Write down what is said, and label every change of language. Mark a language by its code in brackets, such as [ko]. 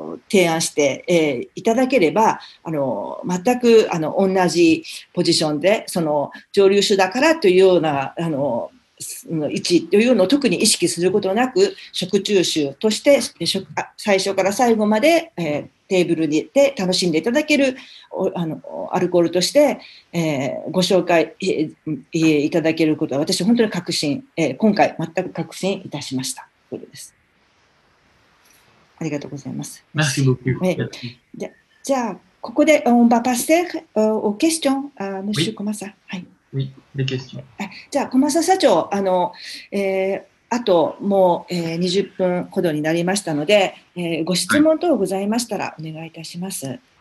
[ja] 提案して、いただければ、あの全くあの同じポジションで、その蒸留酒だからというようなあの位置というのを特に意識することなく、食中酒として最初から最後まで、テーブルに行って楽しんでいただけるあのアルコールとして、ご紹介、いただけることは私本当に確信、今回全く確信いたしましたということです。ありがとうございます。 [fr] Merci beaucoup. [ja] じゃあここで [fr] on va passer aux questions, Monsieur Komasa. はい。Oui, des questions. [ja] じゃあ Komasa 社長、あの、あともう、20分ほどになりましたので、ご質問等ございましたらお願いいたします。